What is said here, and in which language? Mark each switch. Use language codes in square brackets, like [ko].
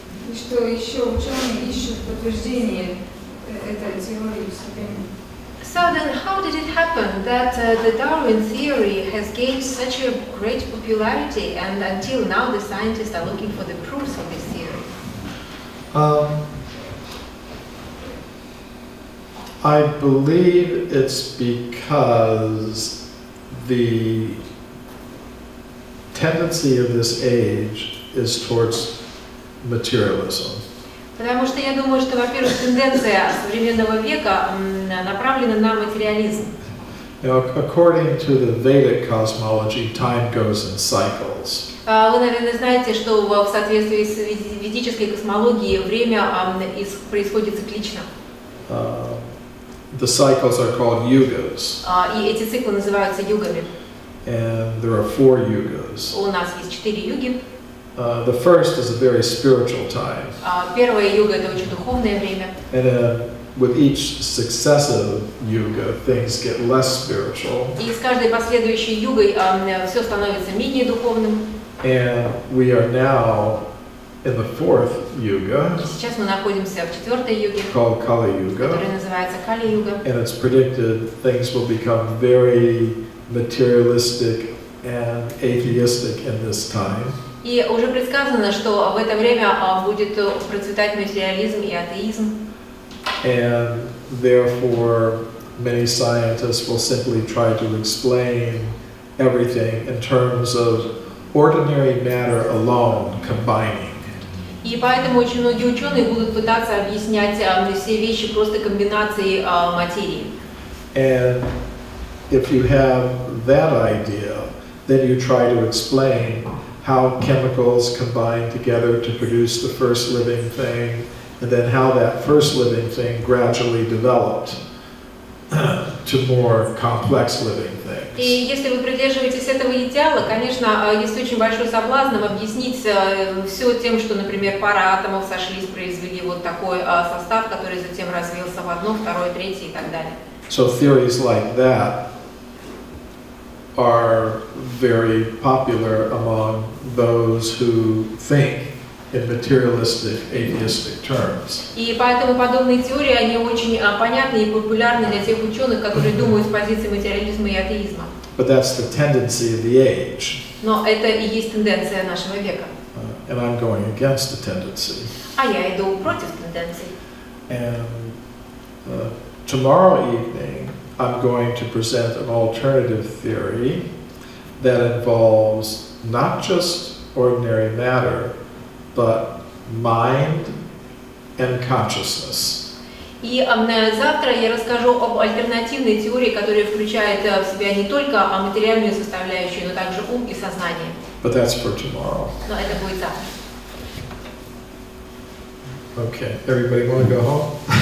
[ru] И что еще ученые ищут подтверждение этой теории в себе? [en] So then, how did it happen that the Darwin theory has gained such a great popularity, and until now the scientists are looking for the proofs of this theory? I believe it's because the tendency of this age is towards materialism. [ru] Потому что я думаю, что, во-первых, тенденция современного века направлена на материализм. [en] Now, according to the Vedic cosmology, time goes in cycles. [ru] Вы, наверное, знаете, что в соответствии с ведической космологией время происходит циклично. [en] The cycles are called yugas. [ru] И эти циклы называются югами. [en] And there are four yugas. [ru] У нас есть четыре юги. [en] The first is a very spiritual time. [ru] Первая юга — это очень духовное время. [en] And with each successive yuga, things get less spiritual. [ru] И с каждой последующей югой все становится менее духовным. [en] And we are now in the fourth yuga. [ru] Сейчас мы находимся в четвертой юге. [en] Called Kali Yuga. [ru] Которая называется Kali Yuga. [en] And it's predicted things will become very materialistic and atheistic in this time. [ru] И уже предсказано, что в это время будет процветать материализм и атеизм. [en] And therefore, many scientists will simply try to explain everything in terms of ordinary matter alone combining. [ru] И поэтому очень многие ученые будут пытаться объяснять все вещи просто комбинацией материи. [en] And if you have that idea, then you try to explain how chemicals combine together to produce the first living thing, and then how that first living thing gradually developed to more complex living things. [ru] И если вы придерживаетесь этого идеала, конечно, есть очень большой соблазн объяснить все тем, что, например, пара атомов сошлись, произвели вот такой состав, который затем развился в одно, второе, третье и так далее. [en] So theories like that are very popular among those who think in materialistic, atheistic terms. [ru] И поэтому подобные теории, они очень понятны и популярны для тех ученых, которые думают с позиции материализма и атеизма. [en] But that's the tendency of the age. [ru] Но это и есть тенденция нашего века. [en] And I'm going against the tendency. [ru] А я иду против тенденции. [en] And tomorrow evening, I'm going to present an alternative theory that involves not just ordinary matter, but mind and consciousness. [ru] И завтра я расскажу об альтернативной теории, которая включает в себя не только материальную составляющую, но также ум и сознание. [en] But that's for tomorrow. [ru] Но это будет завтра. [en] Okay, everybody want to go home?